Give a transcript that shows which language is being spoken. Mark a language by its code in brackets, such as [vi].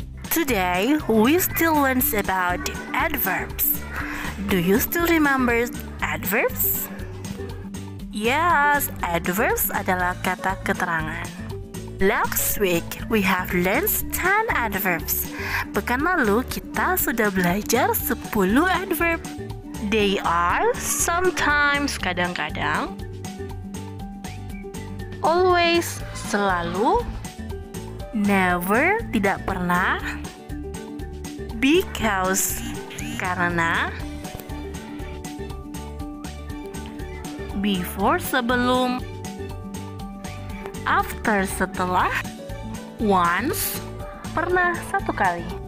[en] Today we still learn about adverbs. Do you still remember adverbs? [id] Yes, adverbs adalah kata keterangan. [en] Last week we have learned 10 adverbs. [id] Pekan lalu kita sudah belajar 10 adverb. [en] They are sometimes, [id] kadang-kadang, always, selalu, never, tidak pernah, because, karena, before, sebelum, after, setelah, once, pernah, satu kali.